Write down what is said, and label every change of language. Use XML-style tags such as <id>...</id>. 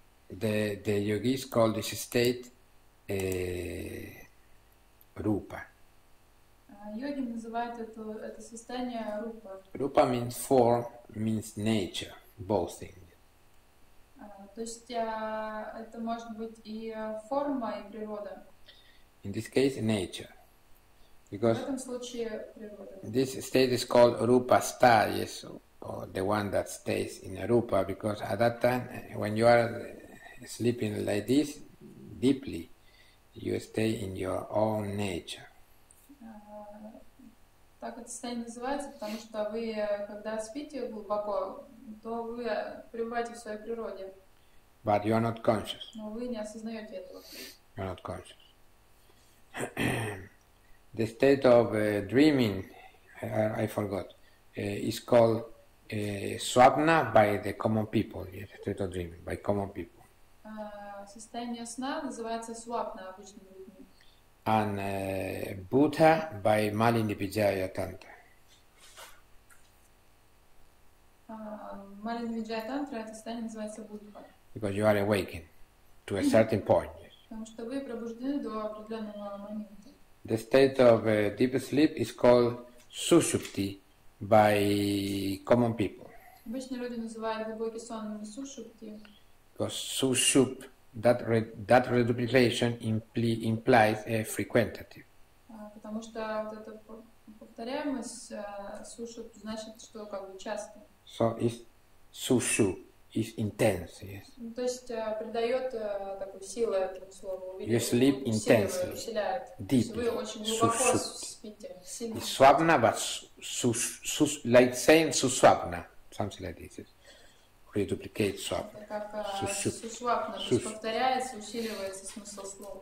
<en>The yogis call this state rupa.</en> <ru>Йоги называют это состояние рупа.</ru> <en>Rupa means form, means nature, both things.</en> <ru>То есть это может быть и форма, и природа.</ru> <en>In this case, nature. Because</en> <ru>в этом случае природа.</ru> <en>This state is called rupa sta, yes, or the one that stays in rupa, because at that time, when you are sleeping like this, deeply, you stay in your own nature.</en> <ru>Так это состояние называется, потому что вы, когда спите глубоко, то вы пребываете в своей природе.</ru> <en>But you are not conscious.</en> <ru>Но вы не осознаете этого.</ru> <en>You are not conscious. The state of dreaming, I forgot, is called swapna by the common people. Yes, state of dreaming by common people.</en> <ru>Состояние сна называется свапна обычными людьми.</ru> <en>And Buddha by Malinivijaya Tantra.</en> <ru>Malinivijaya Tantra, это состояние называется Buddha.</ru> <en>Because you are awakened to a certain point. Yes.</en> <ru>Потому что вы пробуждены до определенного момента.</ru> <en>The state of deep sleep is called сушупти by common people.</en> <ru>Обычно люди называют глубокий сон сушупти.</ru> <en>Because сушуп, that reduplication implies a frequentative.</en> <ru>Потому что вот эта повторяемость сушуп значит, что как бы часто.</ru> <en>So it's сушуп. Is intense, yes.</en> <ru>То есть придает такую силу этому слову.</ru> <en>You sleep intensely, deeply.</en> <ru>Вы очень глубоко спите, сильно.</ru> <en>Swapna, but like saying suswapna, something like this. Yes. Reduplicate swapna.</en> <ru>Suswapna, то есть повторяется, усиливается смысл слова.</ru>